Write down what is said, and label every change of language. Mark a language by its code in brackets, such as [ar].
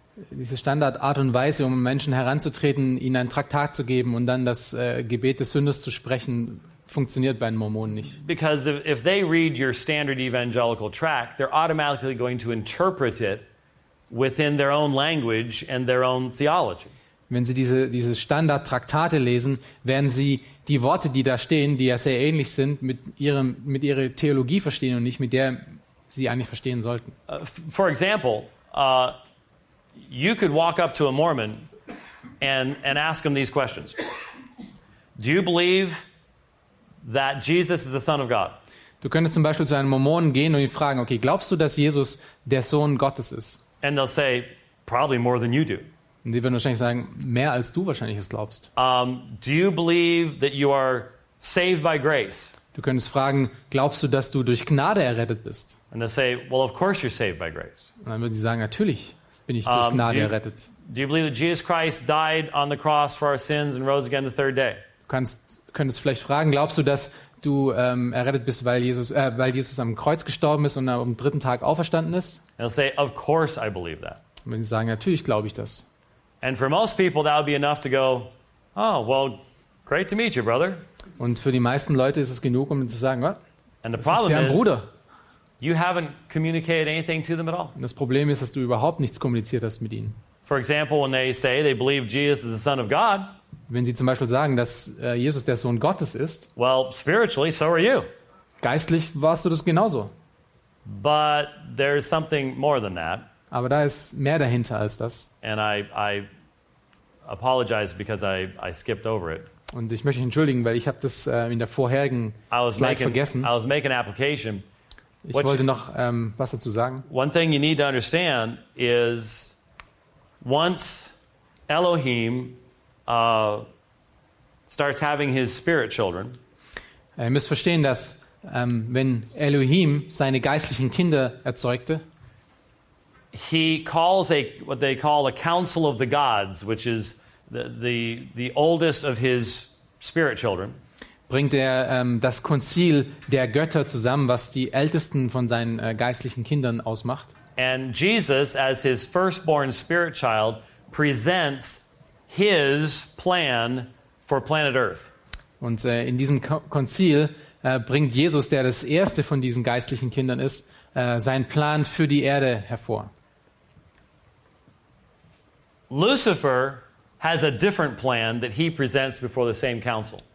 [de] diese Standardart und Weise, um Menschen heranzutreten, ihnen ein Traktat zu geben und dann das Gebet des Sünders zu sprechen, funktioniert bei den Mormonen nicht. [en] Because if they read your standard evangelical tract, they're automatically going to interpret it within their own language and their own theology. [de] Wenn sie diese Standardtraktate lesen, werden sie die Worte, die da stehen, die ja sehr ähnlich sind, mit ihrer Theologie verstehen und nicht mit der sie eigentlich verstehen sollten. [en] For example, you could walk up to a Mormon and ask him these questions. Do you believe that Jesus is the Son of God? [de] Du könntest zum Beispiel zu einem Mormonen gehen und ihn fragen, okay, glaubst du, dass Jesus der Sohn Gottes ist? [en] And they'll say, probably more than you do. [de] Und die werden wahrscheinlich sagen, mehr als du wahrscheinlich es glaubst. [en] Do you believe that you are saved by grace? [de] Du könntest fragen, glaubst du, dass du durch Gnade errettet bist? [en] And they'll say, well, of course you're saved by grace. [de] Und dann würden sie sagen, natürlich bin ich durch Gnade errettet. [en] Do you believe that Jesus Christ died on the cross for our sins and rose again the third day? [de] Könntest vielleicht fragen, glaubst du, dass du errettet bist, weil Jesus am Kreuz gestorben ist und am dritten Tag auferstanden ist? [en] And say, of course I believe that. [de] Wenn sie sagen, natürlich glaube ich das. [en] And for most people that would be enough to go, oh, well, great to meet you, brother. [de] Und für die meisten Leute ist es genug, um zu sagen, [en] what? And the problem [de] ist ja ein Bruder. [en] You haven't communicated anything to them at all. [de] Und das Problem ist, dass du überhaupt nichts kommuniziert hast mit ihnen. [en] For example, when they say they believe Jesus is the Son of God, [de] wenn sie zum Beispiel sagen, dass Jesus der Sohn Gottes ist, [en] well, spiritually, so are you. [de] Geistlich warst du das genauso. [en] But there's something more than that. [de] Aber da ist mehr dahinter als das. [en] And I apologize because I skipped over it. [de] Und ich möchte mich entschuldigen, weil ich habe das in der vorherigen Slide vergessen. [en] I was making an application. [de] Ich wollte noch was dazu sagen. [en] One thing you need to understand is once Elohim starts having his spirit children. [de] Ihr müsst verstehen, dass wenn Elohim seine geistlichen Kinder erzeugte, [en] he calls a what they call a council of the gods, which is the oldest of his spirit children. [de] Bringt er das Konzil der Götter zusammen, was die ältesten von seinen geistlichen Kindern ausmacht. [en] And Jesus as his firstborn spirit child presents his plan for planet Earth. [de] Und in diesem Konzil bringt Jesus, der das erste von diesen geistlichen Kindern ist, seinen Plan für die Erde hervor. [en] Lucifer has a different plan that he presents before the same council.